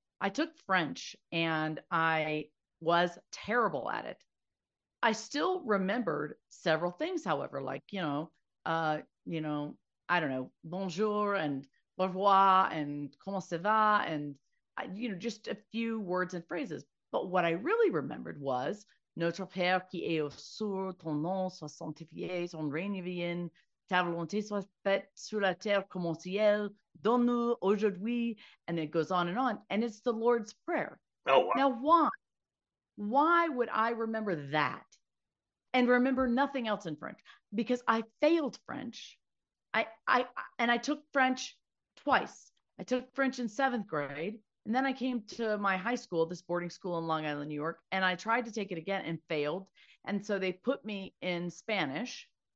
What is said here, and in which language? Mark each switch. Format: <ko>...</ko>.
<en>I took French and I was terrible at it. I still remembered several things, however, like, you know, I don't know,</en> <fr>bonjour and au revoir and comment ça va,</fr> <en>and, you know, just a few words and phrases. But what I really remembered was</en> <fr>Notre Père qui est aux cieux, ton nom soit sanctifié, ton règne vienne, ta volonté soit faite sur la terre comme au ciel, donne-nous aujourd'hui,</fr> <en>and it goes on and on. And it's the Lord's Prayer. Oh, wow. Now, why? Why would I remember that and remember nothing else in French? Because I failed French. And I took French twice. I took French in seventh grade. And then I came to my high school, this boarding school in Long Island, New York, and I tried to take it again and failed. And so they put me in Spanish.</en>